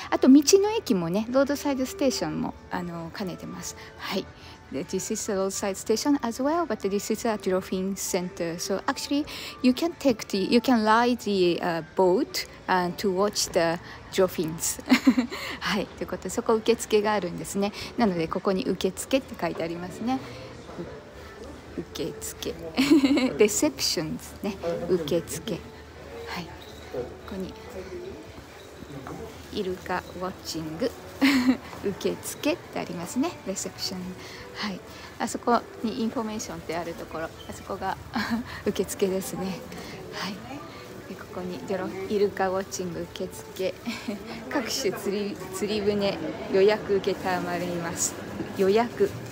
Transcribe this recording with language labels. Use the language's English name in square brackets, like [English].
[Japanese] あと道の駅もね、ロードサイドステーションも兼ねてます。はい。 [English] This is a roadside station as well, but this is a dolphin center. So actually, you can take the, you can ride the boat to watch the dolphins. [Japanese] はい。ということで、そこ受付があるんですね。なのでここに受付って書いてありますね。受付レセプションですね、受付、はい、ここにイルカウォッチング受付ってありますね、レセプション、はい、あそこにインフォメーションってあるところ、あそこが受付ですね、はい、でここにイルカウォッチング受付各種釣り船予約受けたまります、予約